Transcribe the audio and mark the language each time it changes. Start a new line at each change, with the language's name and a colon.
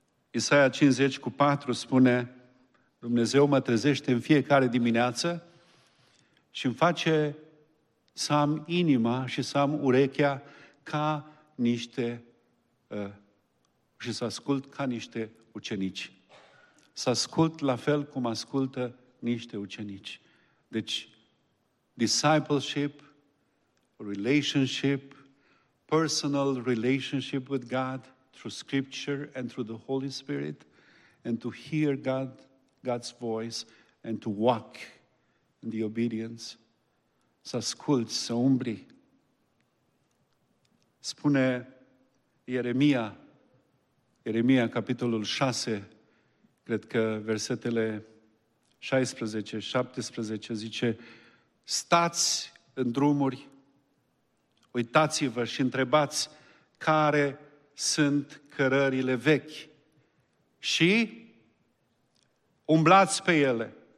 Romanian: Isaia 50:4 spune: Dumnezeu mă trezește în fiecare dimineață și îmi face să am inima și să am urechea ca niște și să ascult ca niște ucenici. Să ascult la fel cum ascultă niște ucenici.
English: Deci, discipleship, relationship, personal relationship with God through Scripture and through the Holy Spirit, and to hear God's voice and to walk in the obedience.
Romanian: Să asculți, să umbli. Spune Ieremia, capitolul 6, cred că versetele 16-17, zice: stați în drumuri, uitați-vă și întrebați care sunt cărările vechi și umblați pe ele.